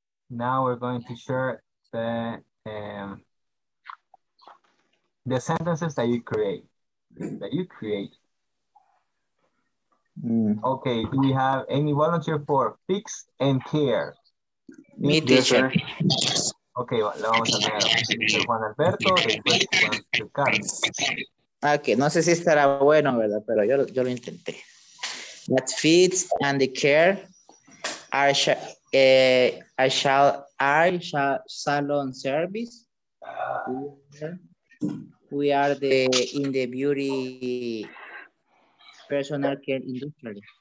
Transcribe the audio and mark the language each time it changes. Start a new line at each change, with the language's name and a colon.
English: Now we're going to share the sentences that you create, Okay, do we have any volunteer for fix and care? Me, teacher.
Spanish: Okay, le vamos a dar a Juan Alberto y después Juan Carlos. Okay, no sé si estará bueno, ¿verdad? Pero yo lo intenté.
English: That feeds and the care are salon service. We are the in the beauty personal care industry.